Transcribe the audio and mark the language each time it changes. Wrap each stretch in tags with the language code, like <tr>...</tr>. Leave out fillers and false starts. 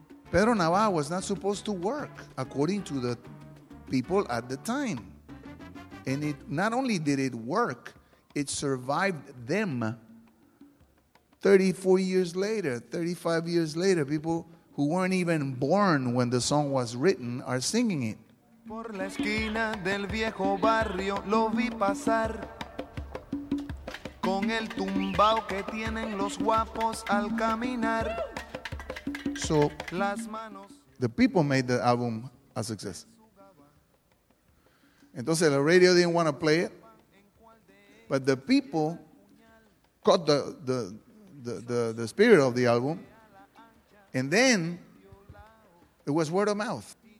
<en>Pedro Navaja was not supposed to work, according to the people at the time. And it not only did it work, it survived them 34 years later, 35 years later. People who weren't even born when the song was written are singing it.</en> <es>Por la esquina del viejo barrio lo vi pasar con el tumbao que tienen los guapos al caminar.</es> <en>So, the people made the album a success.</en> <es>Entonces,</es> <en>the radio didn't want to play it, but the people caught the spirit of the album, and then it was word of mouth.</en>